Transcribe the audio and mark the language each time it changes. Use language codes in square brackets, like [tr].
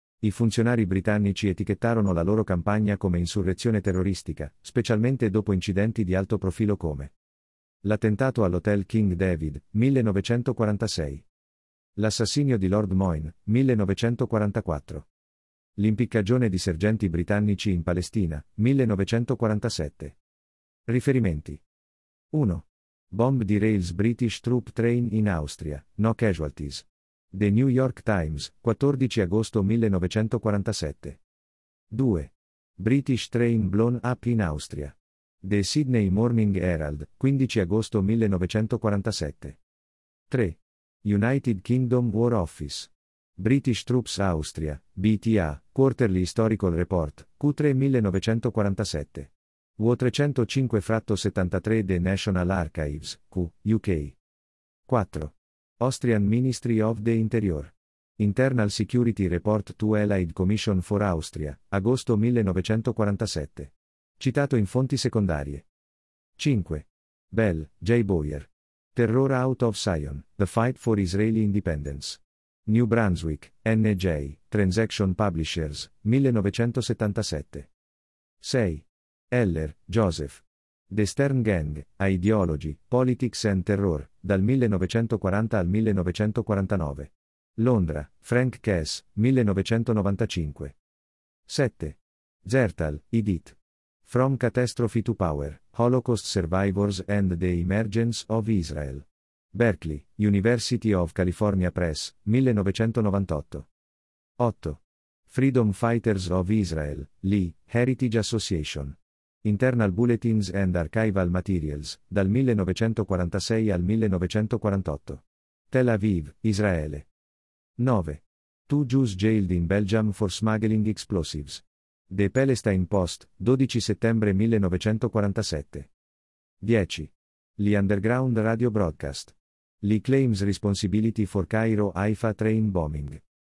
[it] I funzionari britannici etichettarono la loro campagna come insurrezione terroristica, specialmente dopo incidenti di alto profilo come L'attentato all'Hotel King David, 1946. L'assassinio di Lord Moyne, 1944. L'impiccagione di sergenti britannici in Palestina, 1947. Riferimenti. 1. [en] Bomb derails British troop train in Austria, no casualties. The New York Times, [it] 14 agosto 1947. [en] 2. British train blown up in Austria. The Sydney Morning Herald, [it] 15 agosto 1947. [en] 3. United Kingdom War Office. British Troops Austria, BTA, Quarterly Historical Report, Q3 1947. W305-73 The National Archives, Q, UK. 4. Austrian Ministry of the Interior. Internal Security Report to Allied Commission for Austria, [it] agosto 1947. Citato in fonti secondarie. [en] 5. Bell, J. Boyer. Terror Out of Zion, The Fight for Israeli Independence. New Brunswick, NJ, Transaction Publishers, 1977. 6. Heller, Joseph. The Stern Gang, Ideology, Politics and Terror, [it] dal 1940 al 1949. Londra, Frank Cass, 1995. 7. [en] Zertal, Edith. From Catastrophe to Power, Holocaust Survivors and the Emergence of Israel. Berkeley, University of California Press, 1998. 8. Freedom Fighters of Israel, Lee, Heritage Association. Internal Bulletins and Archival Materials, [it] dal 1946 al 1948. Tel Aviv, Israele. 9. [en] Two Jews jailed in Belgium for smuggling explosives. The Palestine Post, [it] 12 settembre 1947. [en] 10. The Underground Radio Broadcast. Lee claims responsibility for Cairo Haifa train bombing.